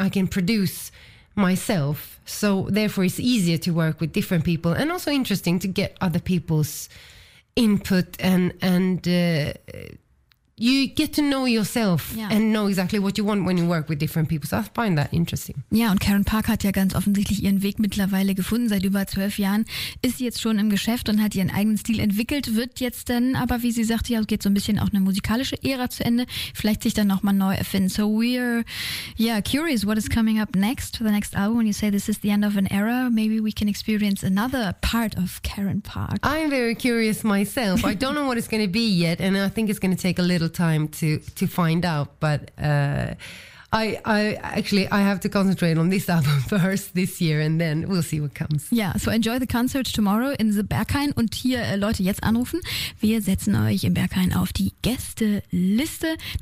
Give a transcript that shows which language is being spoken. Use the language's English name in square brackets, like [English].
[English] I can produce myself, so therefore it's easier to work with different people, and also interesting to get other people's input, and you get to know yourself. Yeah. And know exactly what you want when you work with different people. So I find that interesting. [German] Ja, und Karen Park hat ja ganz offensichtlich ihren Weg mittlerweile gefunden. Seit über 12 Jahren ist sie jetzt schon im Geschäft und hat ihren eigenen Stil entwickelt. Wird jetzt dann aber, wie sie sagte, ja, geht so ein bisschen auch eine musikalische Ära zu Ende. Vielleicht sich dann nochmal neu erfinden. [English] So we're, yeah, curious what is coming up next for the next album. When you say this is the end of an era, maybe we can experience another part of Karen Park. I'm very curious myself. I don't know what it's going to be yet, and I think it's going to take a little time to find out, but I have to concentrate on this album first this year, and then we'll see what comes. Yeah, so enjoy the concert tomorrow in the Berghain, [German] und hier Leute, jetzt anrufen. Wir setzen euch im Berghain auf die Gästeliste.